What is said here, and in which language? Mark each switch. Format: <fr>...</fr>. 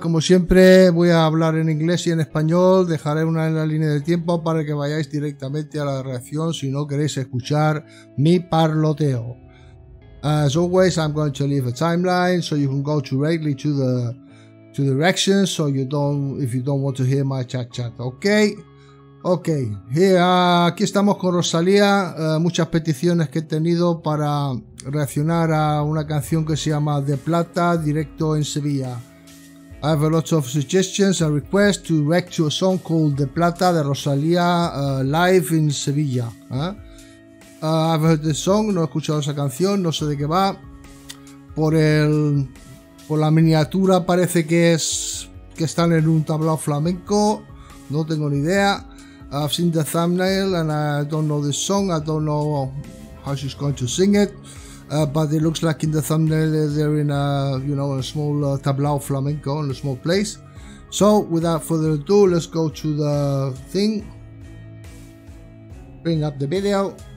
<es>Como siempre, voy a hablar en inglés y en español. Dejaré una en la línea del tiempo para que vayáis directamente a la reacción si no queréis escuchar mi parloteo.</es> <en>As always, I'm going to leave a timeline so you can go directly to the reaction so you don't if you don't want to hear my chat chat.</en> <es>Ok, aquí estamos con Rosalía. Muchas peticiones que he tenido para reaccionar a una canción que se llama De Plata, directo en Sevilla.</es> <en>I have a lot of suggestions and requests to react to a song called De Plata de Rosalía, live in Sevilla. I've heard the song,</en> <es>no he escuchado esa canción, no sé de qué va. Por la miniatura parece que están en un tablao flamenco, no tengo ni idea.</es> <en>I've seen the thumbnail and I don't know the song. I don't know how she's going to sing it, but it looks like in the thumbnail they're in a, you know, a small tablao flamenco in a small place. So without further ado, let's go to the thing. Bring up the video.</en>